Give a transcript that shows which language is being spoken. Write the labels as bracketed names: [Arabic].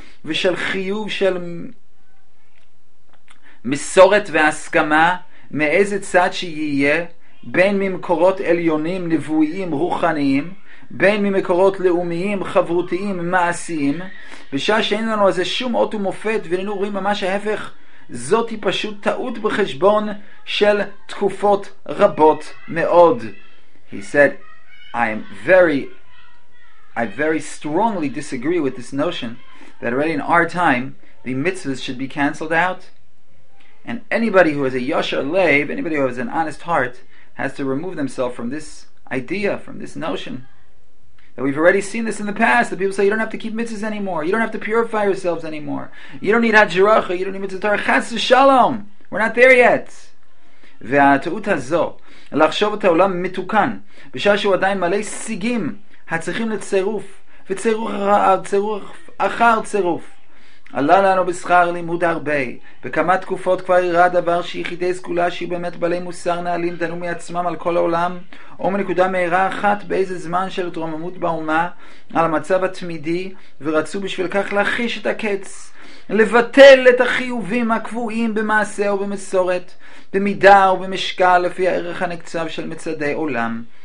[Hebrew] ושל חיוב של מסורת והסכמה מאיזה צד שיהיה, בין ממקורות עליונים נבואיים רוחניים, בין ממקורות לאומיים חברותיים מעשיים, בשעה שאין לנו איזה שום אות ומופת ואיננו רואים ממש ההפך, זאת היא פשוט טעות בחשבון של תקופות רבות מאוד. [English] He said, I very strongly disagree with this notion that already in our time, the mitzvahs should be cancelled out. And anybody who has a yashar lev, anybody who has an honest heart, has to remove themselves from this idea, from this notion. That we've already seen this in the past, that people say, you don't have to keep mitzvahs anymore, you don't have to purify yourselves anymore, you don't need hadjiracha, you don't need mitzvah tarach, chas shalom, we're not there yet. [Hebrew] והטעות הזו, לחשוב את העולם מתוקן, בשעה שהוא עדיין מלא סיגים, הצריכים לצירוף, וצירוף אחר צירוף. עלה לנו בשכר לימוד הרבה. בכמה תקופות כבר יראה דבר שיחידי סגולה שיהיו באמת בעלי מוסר נעלים דנו מעצמם על כל העולם, או מנקודה מהירה אחת באיזה זמן של התרוממות באומה, על המצב התמידי, ורצו בשביל כך להחיש את הקץ, לבטל את החיובים הקבועים במעשה ובמסורת, במידה ובמשקל לפי הערך הנקצב של מצדי עולם.